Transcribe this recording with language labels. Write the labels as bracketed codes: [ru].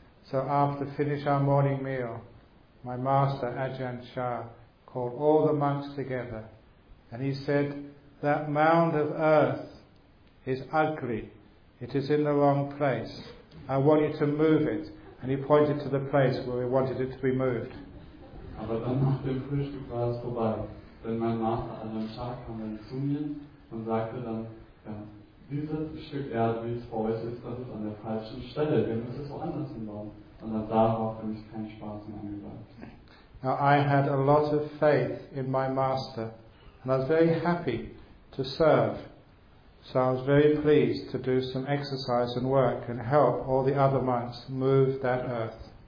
[en] So after finish our morning meal, my master Ajahn Chah called all the monks together and he said, that mound of earth is ugly. It is in the wrong place. I want you to move it. And he pointed to the place where we wanted it to be moved. [de] Aber dann nach dem Frühstück war es vorbei. Denn mein Master Ajahn Chah kam dann zu mir und sagte dann, ja, dieses Stück Erde, wie es vor euch ist, das ist an der falschen Stelle. Wir müssen es woanders hinbauen. Und dann darauf bin ich keinen Spaß mehr angesagt. [en] Now, I had a lot of faith in my master, and I was very happy to serve. So I was very pleased to do some exercise and work and help all the other monks move that earth.